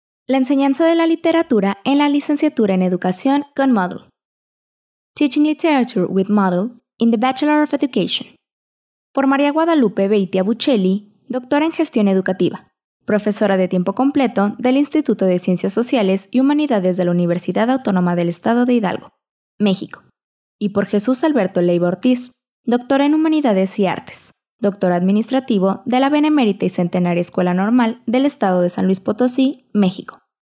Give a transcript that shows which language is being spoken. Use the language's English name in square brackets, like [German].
[Spanish] La enseñanza de la literatura en la licenciatura en educación con Model. [English] Teaching Literature with Model in the Bachelor of Education. [Spanish] Por María Guadalupe Beitia Buccelli, doctora en gestión educativa, profesora de tiempo completo del Instituto de Ciencias Sociales y Humanidades de la Universidad Autónoma del Estado de Hidalgo, México. Y por Jesús Alberto Leiva Ortiz, doctora en Humanidades y Artes, doctor administrativo de la Benemérita y Centenaria Escuela Normal del Estado de San Luis Potosí, México.